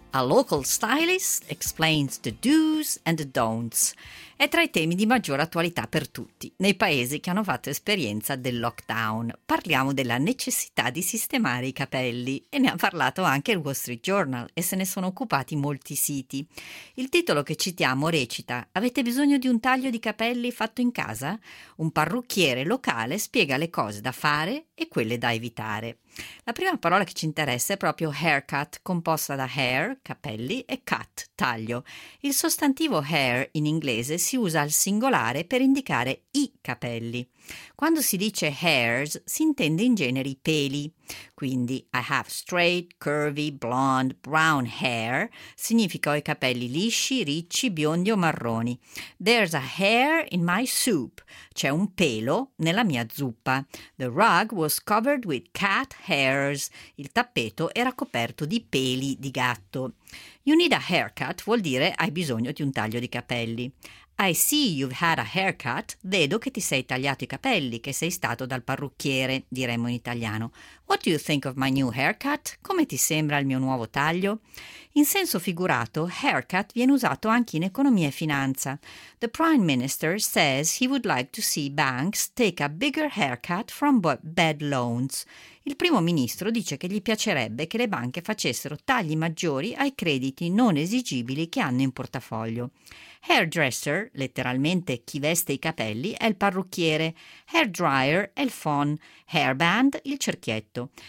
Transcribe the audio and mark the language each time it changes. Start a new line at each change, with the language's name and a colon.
English: A local stylist explains the do's and the don'ts.
Italian: È tra i temi di maggiore attualità per tutti, nei paesi che hanno fatto esperienza del lockdown. Parliamo della necessità di sistemare i capelli e ne ha parlato anche il Wall Street Journal e se ne sono occupati molti siti. Il titolo che citiamo recita: avete bisogno di un taglio di capelli fatto in casa? Un parrucchiere locale spiega le cose da fare e quelle da evitare. La prima parola che ci interessa è proprio haircut, composta da hair, capelli, e cut, taglio. Il sostantivo hair in inglese si usa al singolare per indicare i capelli. Quando si dice hairs, si intende in genere i peli. Quindi,
English: I have straight, curvy, blonde, brown hair
Italian: significa ho i capelli lisci, ricci, biondi o marroni.
English: There's a hair in my soup.
Italian: C'è un pelo nella mia zuppa.
English: The rug was covered with cat hairs.
Italian: Il tappeto era coperto di peli di gatto.
English: You need a haircut
Italian: vuol dire hai bisogno di un taglio di capelli.
English: I see you've had a haircut.
Italian: Vedo che ti sei tagliato i capelli, che sei stato dal parrucchiere, diremmo in italiano.
English: What do you think of my new haircut?
Italian: Come ti sembra il mio nuovo taglio? In senso figurato, haircut viene usato anche in economia e finanza.
English: The Prime Minister says he would like to see banks take a bigger haircut from bad loans.
Italian: Il primo ministro dice che gli piacerebbe che le banche facessero tagli maggiori ai crediti non esigibili che hanno in portafoglio. Hairdresser, letteralmente chi veste i capelli, è il parrucchiere. Hairdryer è il phon. Hairband, il cerchietto.